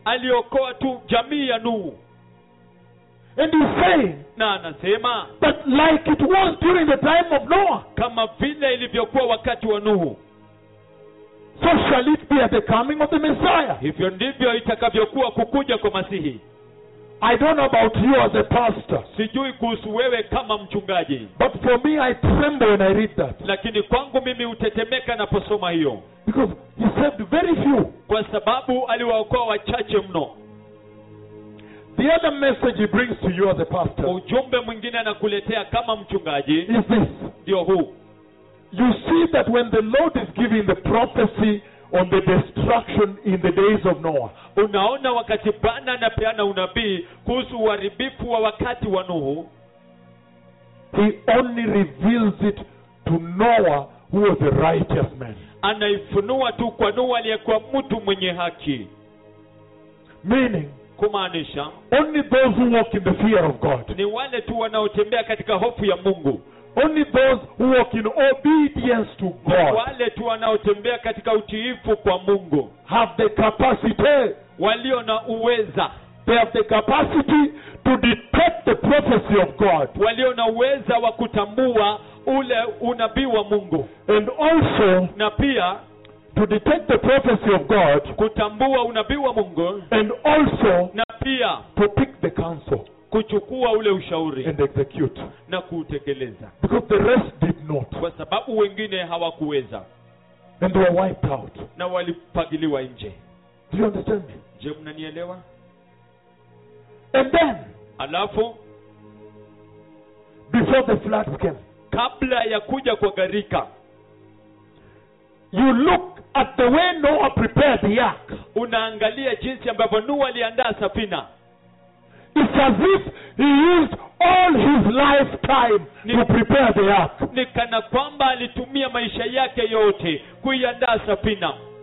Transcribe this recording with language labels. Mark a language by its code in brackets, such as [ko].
[sw] Aliokoa tu jamii ya Nuhu. [en] And he's saying, [sw] na anasema, [en] but like it was during the time of Noah. [sw] Kama vile ilivyokuwa wakati wa Nuhu. [en] So shall it be at the coming of the Messiah. [sw] Hivyo ndivyo itakavyokuwa kukuja kwa Masihi. [en] I don't know about you as a pastor. [sw] Sijui kuhusu wewe kama mchungaji. [en] But for me I tremble when I read that. [sw] Lakini kwangu mimi utetemeka naposoma hiyo. [en] Because he saved very few. [sw] Kwa sababu aliwaokoa wachache mno. [en] The other message he brings to you as a pastor. [sw] Ujumbe mwingine anakuletea kama mchungaji. [en] Is this. [sw] Ndio huu. [en] You see that when the Lord is giving the prophecy on the destruction in the days of Noah. [sw] Unaona wakati Bwana anapeana unabii kuhusu uharibifu wa wakati wa Nuhu. [en] He only reveals it to Noah who was a righteous man. [sw] Anaifunua tu kwa Nuhu aliyekuwa mtu mwenye haki. [en] Meaning. [sw] Kumaanisha. [en] Only those who walk in the fear of God. [sw] Ni wale tu wanaotembea katika hofu ya Mungu. [en] Only those who walk in obedience to God. [sw] Wale tu wanaotembea katika utiifu kwa Mungu. [en] Have the capacity. [sw] Walio na uweza. [en] They have the capacity to detect the prophecy of God. [sw] Walio na uweza wa kutambua ule unabii wa Mungu. [en] And also. [sw] Na pia. [en] To detect the prophecy of God. [sw] Kutambua unabii wa Mungu. [en] And also. [sw] Na pia. [en] To pick the counsel. [sw] Kuchukua ule ushauri. [en] And execute. [sw] Na kutekeleza. [en] Because the rest did not. [sw] Kwa sababu wengine hawakuweza. [en] And they were wiped out. [sw] Na walipagiliwa nje. [en] Do you understand me? [sw] Je, mnanielewa? [en] And then. [sw] Alafu. [en] Before the floods came. [sw] Kabla ya kuja kwa gharika. [en] You look at the way Noah prepared the ark. [sw] Unaangalia jinsi ambavyo Noah aliandaa safina. [en] It's as if he used all his lifetime to prepare the ark. [sw] Ni kana kwamba alitumia maisha yake yote kuiandaa safina.